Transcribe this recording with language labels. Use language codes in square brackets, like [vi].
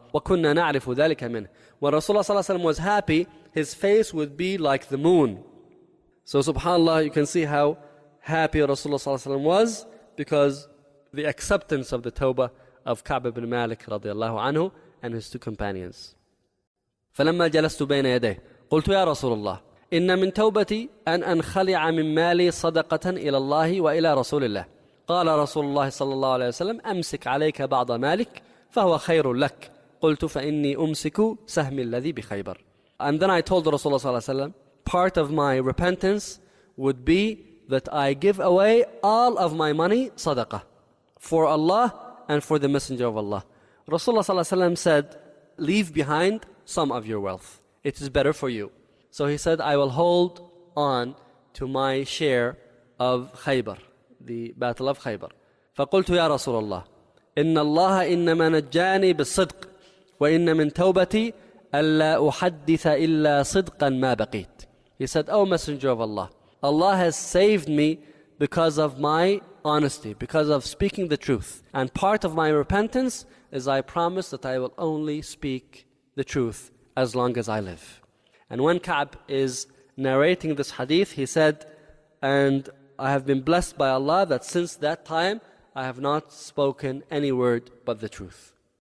[ar] وكنا نعرف ذلك منه. [en] When Rasulullah صلى الله عليه وسلم was happy, his face would be like the moon. So subhanAllah, you can see how happy Rasulullah صلى الله عليه وسلم was because the acceptance of the tawbah of Ka'b ibn Malik رضي الله عنه and his two companions. [ar] فلما جلست بين يديه قلت يا رسول الله إن من توبتي أن أنخلع من مالي صدقة إلى الله وإلى رسول الله. قال رسول الله صلى الله عليه وسلم أمسك عليك بعض مالك فهو خير لك. قلت فإني أمسك سهم الذي بخيبر. [en] And then I told Rasulullah صلى الله عليه وسلم, part of my repentance would be that I give away all of my money صدقه for Allah and for the Messenger of Allah. Rasulullah صلى الله عليه وسلم said, leave behind some of your wealth. It is better for you. So he said, I will hold on to my share of Khaybar, the battle of Khaybar. [ar] فقلت يا رسول الله إن الله إنما نجاني بالصدق وإن من توبتي ألا أحدث إلا صدقا ما بقيت. [en] He said, oh Messenger of Allah, Allah has saved me because of my honesty, because of speaking the truth. And part of my repentance is I promise that I will only speak the truth as long as I live. And when Ka'b is narrating this hadith, he said, and I have been blessed by Allah that since that time I have not spoken any word but the truth.